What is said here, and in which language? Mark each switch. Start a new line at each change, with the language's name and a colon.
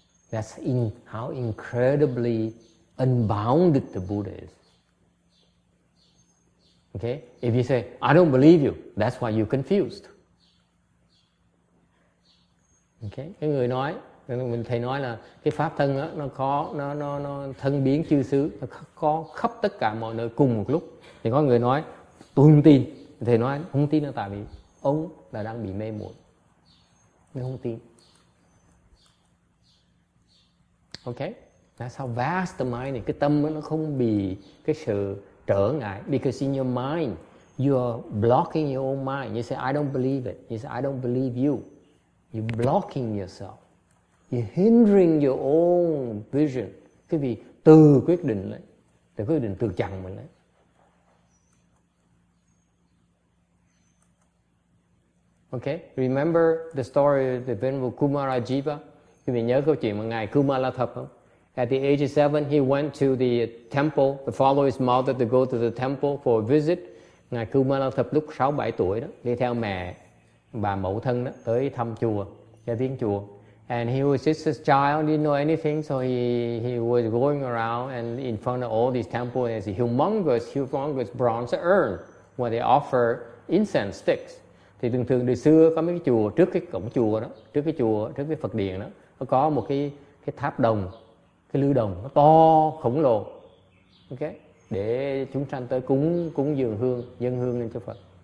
English: That's in how incredibly unbounded the Buddha is. Okay? If you say, I don't believe you, that's why you're confused. Okay?
Vietnamese: Cái người nói, mình thầy nói là cái pháp thân đó, nó có nó thân biến chư xứ, nó có khắp tất cả mọi nơi cùng một lúc. Thì có người nói, tôi không tin. Thầy nói, không tin là tại vì ông là đang bị mê muội. Nên không tin.
English: Okay? That's how vast the mind is.
Vietnamese: Cái tâm nó không bị cái sự trở ngại.
English: Because in your mind, you are blocking your own mind. You say, I don't believe it. You say, I don't believe you. You're blocking yourself. You're hindering your own vision.
Vietnamese: Cái vì từ quyết định đấy. Từ quyết định từ chặn mình đấy.
English: Okay, remember the story of the Venerable Kumarajiva?
Vietnamese: Quý vị nhớ câu chuyện mà Ngài Kumala Thập không?
English: At the age of 7, he went to the temple to follow his mother to go to the temple for a visit.
Vietnamese: Ngài Kumala Thập lúc 6-7 tuổi đó, đi theo mẹ, bà mẫu thân đó, tới thăm chùa, ra viếng chùa.
English: And he was just a child, didn't know anything, so he was going around and in front of all these temples, there's a humongous bronze urn where they offer incense sticks.
Vietnamese: Thì thường thường đời xưa có mấy cái chùa trước cái cổng chùa đó, trước cái Phật điện đó, nó có một cái tháp đồng, cái lư đồng nó to khổng lồ. Okay? Để chúng sanh tới cúng dường hương, dâng hương lên cho Phật.